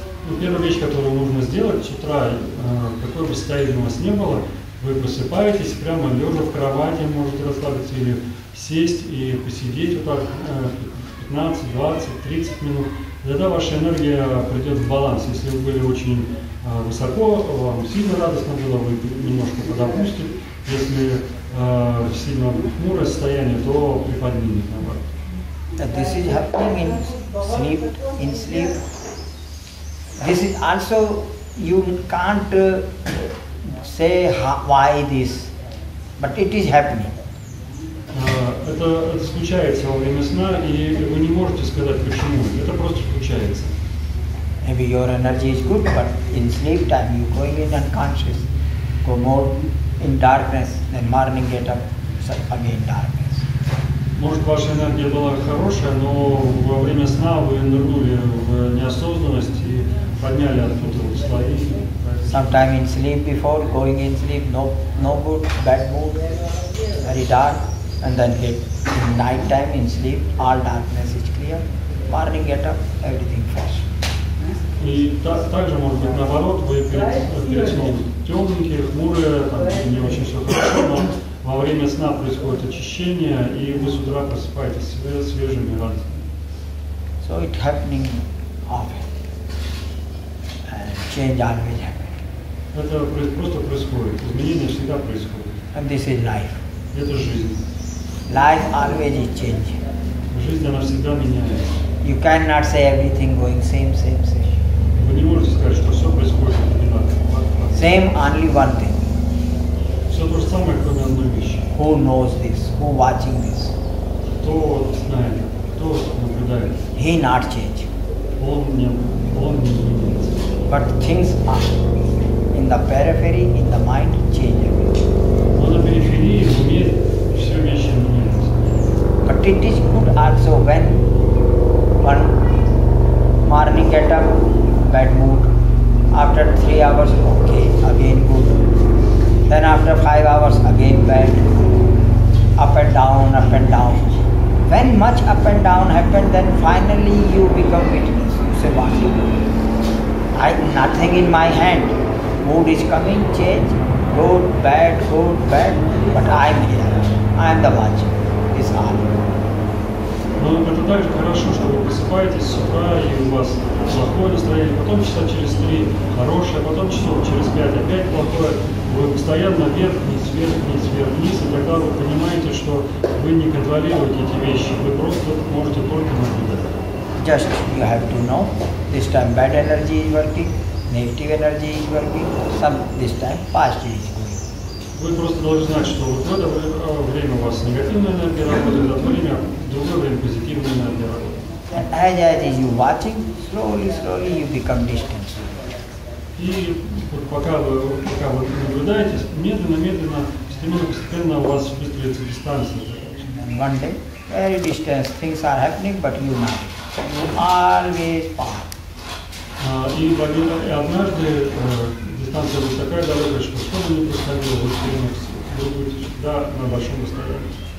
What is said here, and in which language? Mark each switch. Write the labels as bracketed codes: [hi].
[ru] Ну, первая вещь, которую нужно сделать с утра, какой бы стоит у вас не было, вы просыпаетесь прямо лежа в кровати, можете расслабиться или сесть и посидеть вот так 15, 20, 30 минут. Тогда ваша энергия придет в баланс. Если вы были очень высоко, вам сильно радостно было, вы немножко подопустили. Если сильно хмурое состояние, то приподнимите наоборот. [en] This is happening in sleep. This is also you can't say why this, but it is happening. [ru] Это случается во время сна, и вы не можете сказать почему. Это просто случается. [en] Maybe your energy is good, but in sleep time you go in unconscious, go more in darkness, then morning get up again darkness. [ru] Может, ваша энергия была хорошая, но во время сна вы нырнули в неосознанность и подняли оттуда слои. [en] Sometime in sleep before going in sleep, no good, bad mood, very dark. And then in night time, in sleep, all darkness is clear. Morning get up, everything fresh. [ru] И также может быть наоборот, вы перед сном темненькие, хмурые, там не очень все хорошо, но Во время сна происходит очищение, и вы с утра просыпаетесь свежими и радостными. [en] So it happening often. And change always happens. [ru] Это просто происходит. Изменения всегда происходят. [en] And this is life. [ru] Это жизнь. [en] Life always is changing. [ru] Жизнь, она всегда меняется. [en] You cannot say everything going same. [ru] Вы не можете сказать, что все происходит одинаково. [en] Same only one thing. [ru] Все то же самое, кроме одной вещи. [en] Who knows this? Who watching this? [ru] Кто знает? Кто наблюдает? [en] He not change. [ru] Он не изменится. [en] But things are in the periphery, in the mind, changing. [ru] Но на периферии в уме все вещи меняются. [en] But it is good also when one morning get up, bad mood. After 3 hours, okay, again good. Then after 5 hours, again bad. Up and down. When much up and down happened, then finally you become witness. You say, what do you do? Nothing in my hand. Mood is coming, change. Good, bad. But I am here. I am the watch. It's all. [ru] Но это также хорошо, что вы просыпаетесь с утра, и у вас плохое настроение, потом часа через 3 хорошее, потом часов через 5 опять плохое. Вы постоянно вверх, вниз, и тогда вы понимаете, что вы не контролируете эти вещи, вы просто можете только наблюдать. [en] Just you have to know, this time bad energy is working, negative energy is working, this time positive is working. [ru] Вы просто должны знать, что вот в это время у вас негативная энергия работает, а в то время [en] As you watching, slowly you become distant. [ru] И вот пока вы наблюдаете, медленно, постепенно у вас выстроится дистанция. [en] And one day, very distant, things are happening, but you not. You always far. [ru] И однажды дистанция будет такая, да, вы что бы ни происходило, вы все время будете всегда на большом расстоянии.